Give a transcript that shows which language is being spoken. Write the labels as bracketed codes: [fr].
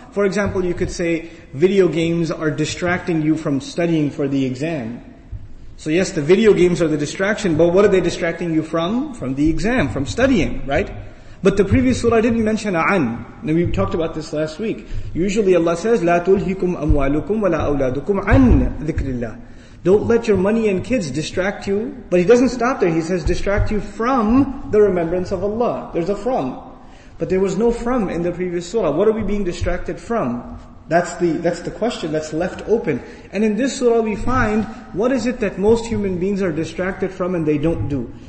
[en] For example, you could say, video games are distracting you from studying for the exam. So yes, the video games are the distraction, but what are they distracting you from? From the exam, from studying, right? But the previous surah didn't mention an. Now we talked about this last week. Usually Allah says, [ar] لا تلهكم أموالكم ولا أولادكم عن ذكر الله. [en] Don't let your money and kids distract you. But He doesn't stop there. He says, distract you from the remembrance of Allah. There's a from. But there was no from in the previous surah. What are we being distracted from? That's the question that's left open. And in this surah we find, what is it that most human beings are distracted from and they don't do?